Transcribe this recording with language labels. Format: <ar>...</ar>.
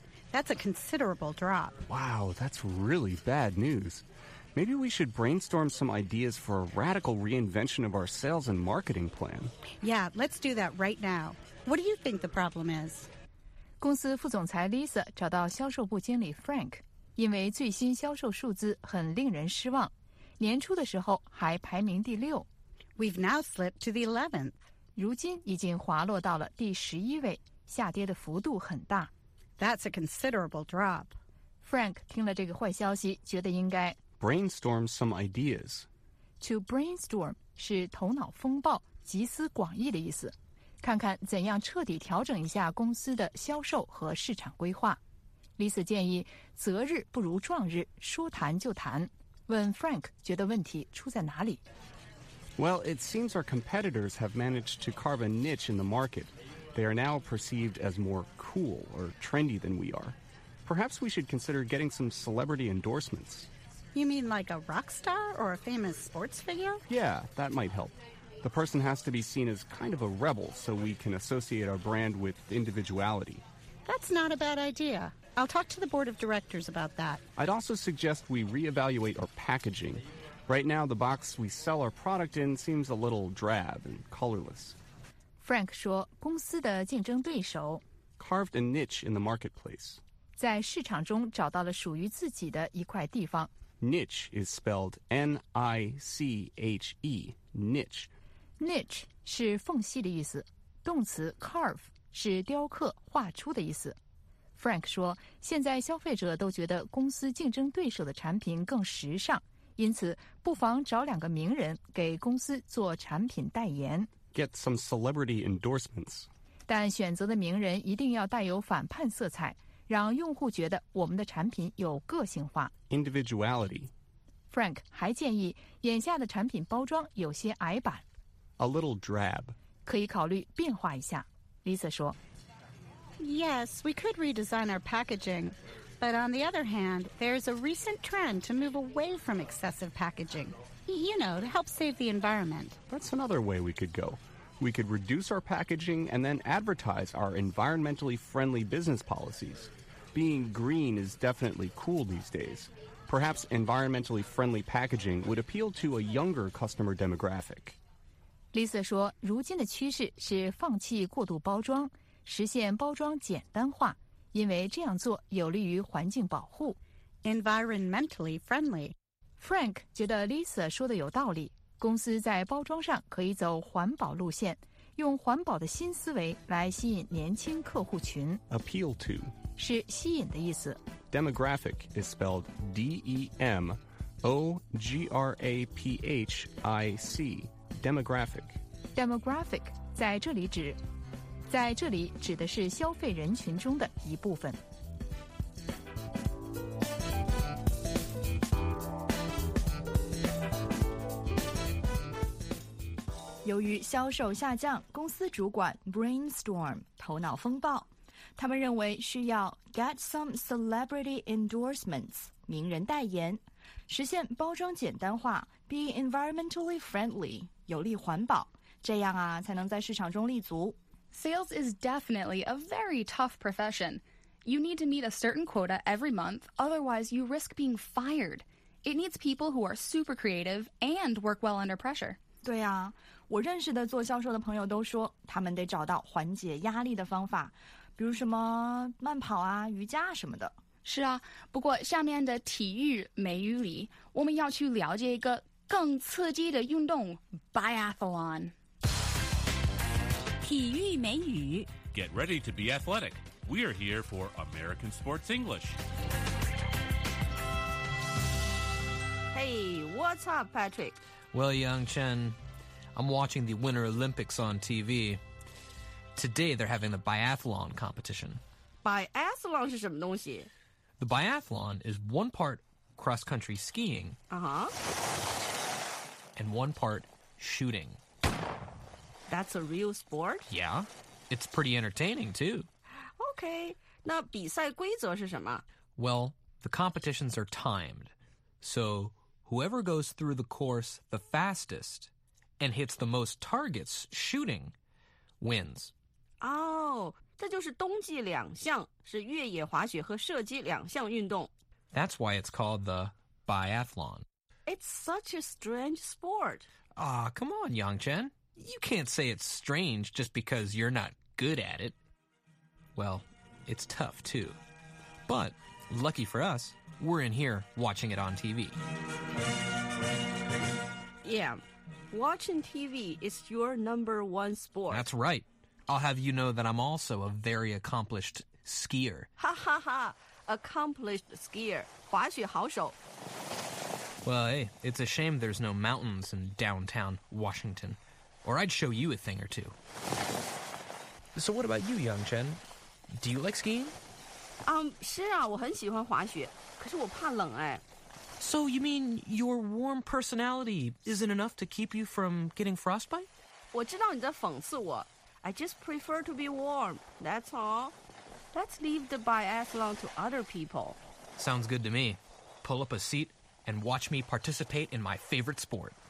<en>That's a considerable drop. Wow, that's really bad news. Maybe we should brainstorm some ideas for a radical reinvention of our sales and marketing plan. Yeah, let's do that right now. What do you think the problem is?</en> <zh>公司副总裁 Lisa 找到销售部经理 Frank, 因为最新销售数字很令人失望。年初的时候还排名第六。</zh> <en>We've now slipped to the 11th.</en> <zh>如今已经滑落到了第十一位，下跌的幅度很大。</zh> <en>That's a considerable drop.</en> <zh>Frank 听了这个坏消息，觉得应该</zh> <en>brainstorm some ideas. To brainstorm</en> <zh>是头脑风暴，集思广益的意思。看看怎样彻底调整一下公司的销售和市场规划。 Lisa 建议择日不如撞日，说谈就谈。问 Frank 觉得问题出在哪里</zh> <en>Well, it seems our competitors have managed to carve a niche in the market. They are now perceived as more cool or trendy than we are. Perhaps we should consider getting some celebrity endorsements. You mean like a rock star or a famous sports figure? Yeah, that might help. The person has to be seen as kind of a rebel so we can associate our brand with individuality. That's not a bad idea. I'll talk to the board of directors about that. I'd also suggest we reevaluate our packaging. Right now, the box we sell our product in seems a little drab and colorless.</en> <zh>Frank 说公司的竞争对手</zh> <en>carved a niche in the marketplace.</en> <zh>在市场中找到了属于自己的一块地方。</zh> <en>Niche is spelled N-I-C-H-E, niche.</en> <zh>Niche 是缝隙的意思。动词 carve 是雕刻、画出的意思。 Frank 说，现在消费者都觉得公司竞争对手的产品更时尚，因此不妨找两个名人给公司做产品代言。</zh> <en>Get some celebrity endorsements.</en> <zh>但选择的名人一定要带有反叛色彩，让用户觉得我们的产品有个性化。</zh> <en>Individuality.</en> <zh>Frank 还建议，眼下的产品包装有些矮板。</zh> <en>A little drab.</en> <zh>可以考虑变化一下。Lisa 说。</zh> <en>Yes, we could redesign our packaging. But on the other hand, there's a recent trend to move away from excessive packaging. You know, to help save the environment. That's another way we could go. We could reduce our packaging and then advertise our environmentally friendly business policies. Being green is definitely cool these days. Perhaps environmentally friendly packaging would appeal to a younger customer demographic.</en> <zh>Lisa 说，如今的趋势是放弃过度包装，实现包装简单化，因为这样做有利于环境保护。</zh> <en>Environmentally friendly.</en> <zh>Frank 觉得 Lisa 说的有道理，公司在包装上可以走环保路线，用环保的新思维来吸引年轻客户群。</zh> <en>Appeal to</en> <zh>是吸引的意思。</zh> <en>Demographic is spelled DEMOGRAPHIC. Demographic.</en> <zh>Demographic 在这里指。在这里指的是消费人群中的一部分。由于销售下降，公司主管 brainstorm 头脑风暴，他们认为需要</zh> <en>get some celebrity endorsements</en> <zh>名人代言，实现包装简单化，</zh> <en>be environmentally friendly</en> <zh>有利环保，这样啊才能在市场中立足。</zh> <en>Sales is definitely a very tough profession. You need to meet a certain quota every month, otherwise you risk being fired. It needs people who are super creative and work well under pressure.</en> <zh>对啊，我认识的做销售的朋友都说，他们得找到缓解压力的方法，比如什么慢跑啊、瑜伽啊什么的。是啊，不过下面的体育美语里，我们要去了解一个更刺激的运动 ,biathlon。体育美语</zh> <en>Get ready to be athletic. We are here for American Sports English. Hey, what's up, Patrick? Well, Yang Chen, I'm watching the Winter Olympics on TV. Today, they're having the biathlon competition.</en> <zh>Biathlon 是什么东西?</zh> <en>The biathlon is one part cross-country skiing. Uh-huh. And one part shooting. That's a real sport? Yeah, it's pretty entertaining, too.</en> <zh>Okay, 那比赛规则是什么?</zh> <en>Well, the competitions are timed. So, whoever goes through the course the fastest and hits the most targets shooting wins.</en> <zh>Oh, 这就是冬季两项,是越野滑雪和射击两项运动。</zh> <en>That's why it's called the biathlon. It's such a strange sport. Ah, come on, Yang Chen. You can't say it's strange just because you're not good at it. Well, it's tough, too. But lucky for us, we're in here watching it on TV. Yeah, watching TV is your number one sport. That's right. I'll have you know that I'm also a very accomplished skier. Ha ha ha! Accomplished skier.</en> <zh>滑雪好手。</zh> <en>Well, hey, it's a shame there's no mountains in downtown Washington. Or I'd show you a thing or two. So what about you, Yang Chen? Do you like skiing?</en> <zh>是啊，我很喜欢滑雪，可是我怕冷哎。</zh> <en>So you mean your warm personality isn't enough to keep you from getting frostbite?</en> <zh>我知道你在讽刺我。</zh> <en>I just prefer to be warm, that's all. Let's leave the biathlon to other people. Sounds good to me. Pull up a seat and watch me participate in my favorite sport.</en>